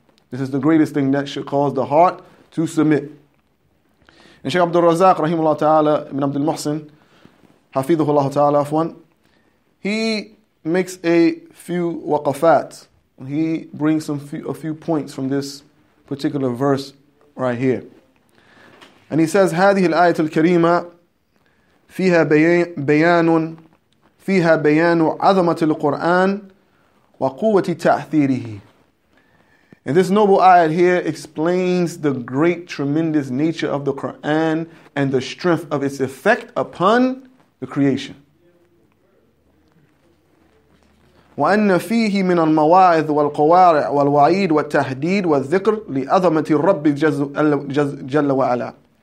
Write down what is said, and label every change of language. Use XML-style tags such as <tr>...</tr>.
<en>This is the greatest thing that should cause the heart to submit. And Shaykh Abdul Razak, Rahimullah Ta'ala, Ibn Abdul Muhsin, Hafidhu Allah Ta'ala, Afwan, he makes a few waqafat. He brings a few points from this particular verse right here. And he says,</en> <ar>هذه الآية الكريمة فيها بيان فيها بيان عظمة القرآن وقوة تأثيره.</ar> <en>And this noble ayat here explains the great, tremendous nature of the Quran and the strength of its effect upon the creation.</en> <ar>وَأَنَّ فِيهِ مِنَ الْمَوَاعِذِ وَالْقَوَارِعِ وَالْوَعِيدِ وَالْتَهْدِيدِ وَالذِّكْرِ لِأَظَمَةِ الرَّبِّ جَلَّ وَعَلَى.</ar>